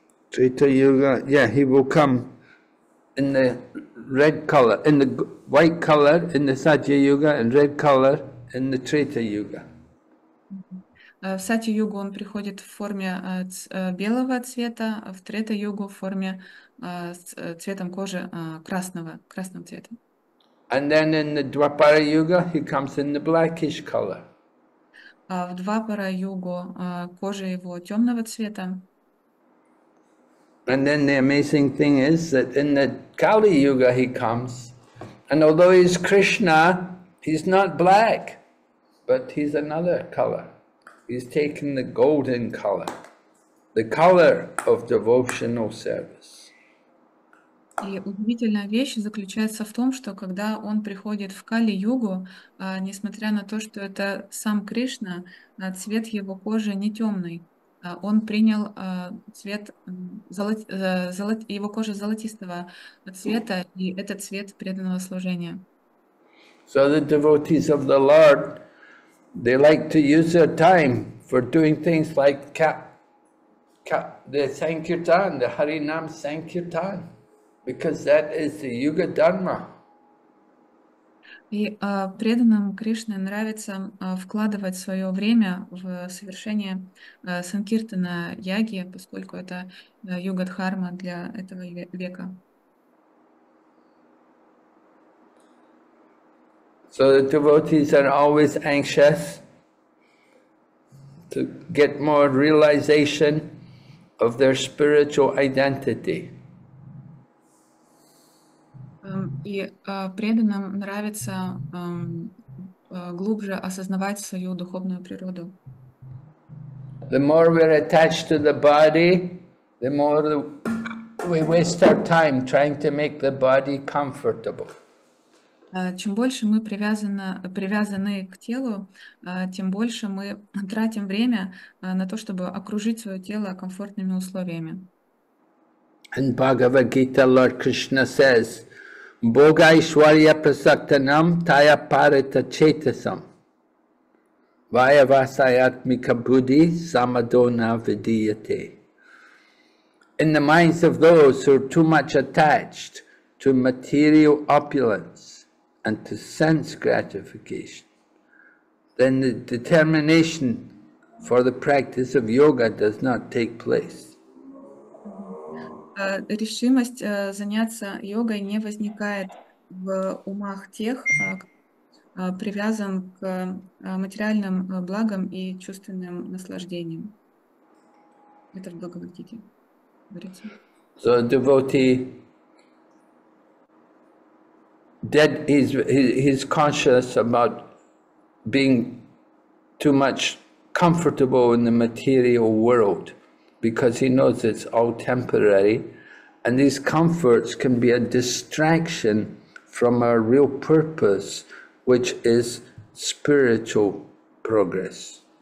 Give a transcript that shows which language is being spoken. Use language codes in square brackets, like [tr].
[en] Treta Yuga, yeah, he will come in the red color, in the white color in the Satya Yuga and red color in the Treta Yuga. [ru] В Сати Югу он приходит в форме белого цвета, в Трета Югу в форме с цветом кожи красного, красным цветом. [en] And then in the Dwapara Yuga he comes in the blackish color. [ru] В Двапара-югу кожа его темного цвета. [en] And then the amazing thing is that in the Kali-yuga he comes, and although he's Krishna, he's not black, but he's another color. He's taken the golden color, the color of devotional service. [ru] И удивительная вещь заключается в том, что когда он приходит в Кали-югу, несмотря на то, что это сам Кришна, цвет его кожи не темный, он принял цвет его кожи золотистого цвета, и это цвет преданного служения. [en] So the devotees of the Lord, they like to use their time for doing things like the Sankirtan, the Harinam Sankirtan. Because that is the Yuga Dharma. [ru] И преданным Кришне нравится вкладывать свое время в совершение санкиртана яги, поскольку это Юга Дхарма для этого века. [en] So the devotees are always anxious to get more realization of their spiritual identity. [ru] И преданным нравится глубже осознавать свою духовную природу. [en] The more we're attached to the body, the more we waste our time trying to make the body comfortable. [ru] Чем больше мы привязаны к телу, тем больше мы тратим время на то, чтобы окружить свое тело комфортными условиями. [en] In Bhagavad Gita, Lord Krishna says, [sa] Бога Ишварья Прасактанам Тая Парита Четасам Вая Васаятмика Будди Самадона Видиете. [en] In the minds of those who are too much attached to material opulence and to sense gratification, then the determination for the practice of yoga does not take place. [ru] Решимость заняться йогой не возникает в умах тех, кто привязан к материальным благам и чувственным наслаждениям. Это в Бхагавад-гите говорится. [en] So a devotee dead is he's conscious about being too much comfortable in the material world, because he knows it's all temporary, and these comforts can be a distraction from our real purpose, which is spiritual progress.